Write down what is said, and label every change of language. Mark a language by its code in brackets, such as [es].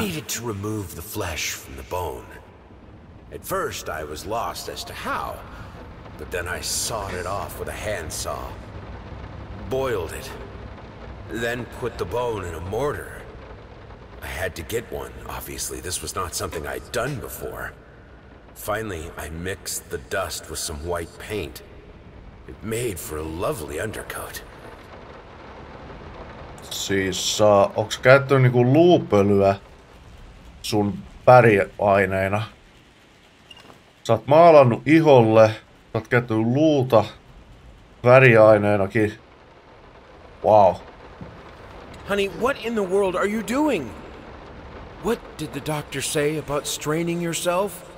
[en] I needed to remove the flesh from the bone. At first I was lost as to how, but then I sawed it off with a handsaw. Boiled it. Then put the bone in a mortar. I had to get one. Obviously, this was not something I'd done before. Finally, I mixed the dust with some white paint. It made for a lovely undercoat. [fi] Siis, onks käyttö niinku luupölyä sun väriaineena? Sä oot maalannut iholle, sä oot käyttänyt luuta väriaineenakin. [en] Wow. Honey, what in the world are you doing? What did the doctor say about straining yourself?